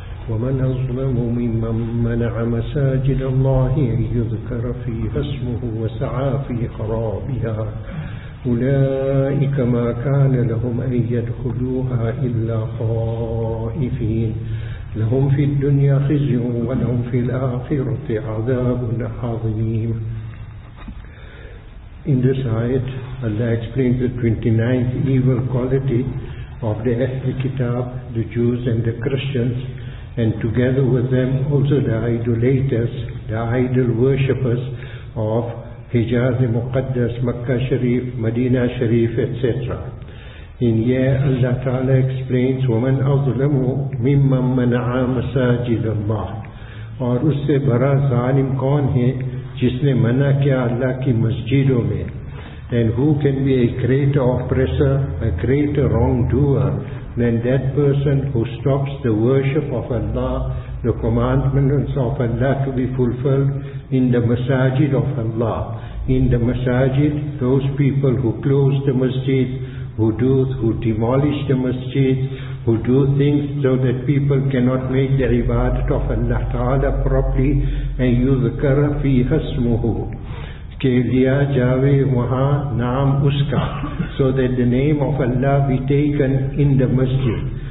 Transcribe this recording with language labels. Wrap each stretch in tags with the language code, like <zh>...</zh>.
<ar>ومن أظلم ممن منع مساجد الله أن يذكر فيها اسمه وسعى في خرابها، أولئك ما كان لهم أن يدخلوها إلا خائفين، لهم في الدنيا خزي ولهم في الآخرة عذاب عظيم.</ar> <en>In this ayat, Allah explains the 29th evil quality of the Ahlul Kitab, the Jews and the Christians, and together with them also the idolaters, the idol worshippers of Hijaz Muqaddas, Makkah Sharif, Medina Sharif, etc. In here Allah Ta'ala explains,</en> <ar>وَمَنْ أَظْلَمُ مِمَّنْ مَنَعَى مَسَاجِدَ اللَّهِ.</ar> <ur>اور اس سے برا ظالم کون ہے جس نے منع کیا اللہ کی مسجدوں میں.</ur> <en>And who can be a greater oppressor, a greater wrongdoer than that person who stops the worship of Allah, the commandments of Allah to be fulfilled in the masajid of Allah. In the masajid, those people who close the masjid, who demolish the masjid, who do things so that people cannot make the ibadat of Allah Ta'ala properly, and</en> <ar>yudhkar fi hasmuhu,</ar> <ur>ke liya jave waha naam uska,</ur> <en>so that the name of Allah be taken in the masjid.</en>